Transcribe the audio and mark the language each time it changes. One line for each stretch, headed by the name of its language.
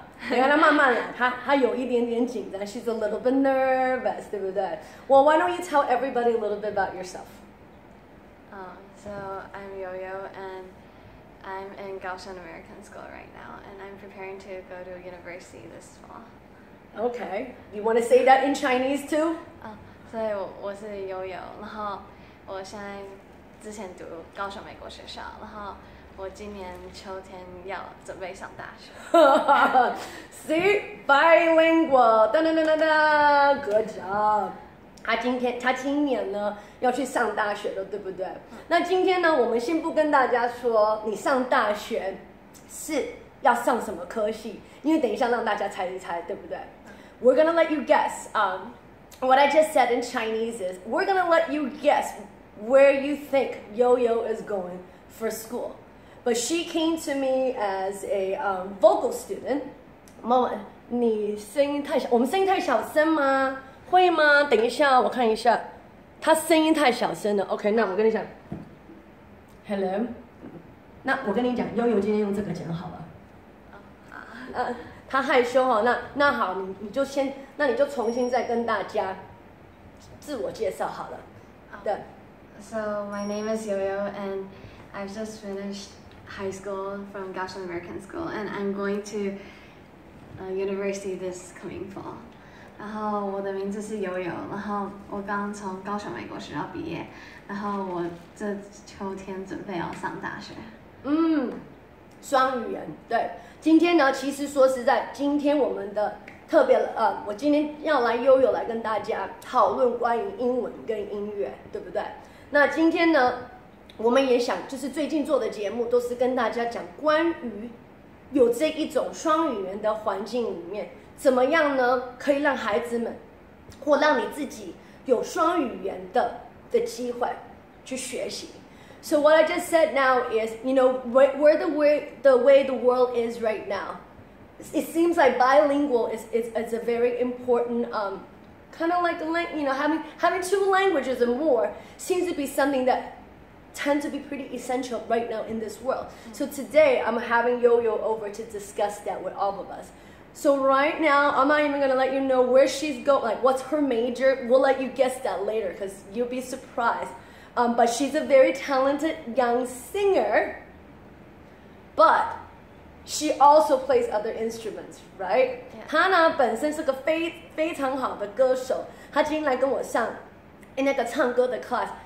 Chinese: 你看她慢慢来，她有一点点紧张。
English: She's a little bit nervous,
Chinese: 对不对？
English: Well, why don't you tell everybody a little bit about yourself? So I'm Yo-Yo and... I'm in Kaohsiung American School right now, and I'm preparing to go to a university this fall. Okay. You want to say that in Chinese too?
Chinese: 所以我是悠悠，然后我现在之前读高雄美国学校，然后我今年秋天要准备上大学。
English: See? Bilingual! Da-da-da-da-da! Good job!
Chinese: 他今年呢要去上大学了，对不对？那今天呢，我们先不跟大家说你上大学是要上什么科系，因为等一下让大家猜一猜，对不对？
English: We're gonna let you guess. What I just said in Chinese is we're gonna let you guess where you think Yo-Yo is going for school. But she came to me as a vocal student.
Chinese: Mama, 你声音太小，我们声音太小声吗？会吗？等一下，我看一下，他声音太小声了。OK， 那我跟你讲 ，Hello， 那我跟你讲，悠悠今天用这个讲好了。他害羞哈、哦，那好，你就重新再跟大家自我介绍好了。对。
English: So my name is Yo-Yo and I've just finished high school from Kaohsiung American School and I'm going to university this coming fall.
Chinese: 然后我的名字是悠悠，然后我刚从高雄美国学校毕业，然后我这秋天准备要上大学。嗯，双语言，对。今天呢，其实说实在，今天我们的特别我今天要来悠悠来跟大家讨论关于英文跟音乐，对不对？那今天呢，我们也想就是最近做的节目都是跟大家讲关于有这一种双语言的环境里面，怎么样呢？可以让孩子们或让你自己有双语言的机会去学习。
English: So what I just said now is, you know, where the way the world is right now, it seems like bilingual is a very important, kind of like, you know, having two languages or more seems to be something that tend to be pretty essential right now in this world. So today I'm having Yo-Yo over to discuss that with all of us. So right now, I'm not even going to let you know where she's going, like what's her major. We'll let you guess that later because you'll be surprised. But she's a very talented young singer, but she also plays other instruments, right? Yeah.
Chinese: 她呢本身是个非常好的歌手，她今天来跟我上那个唱歌的 class.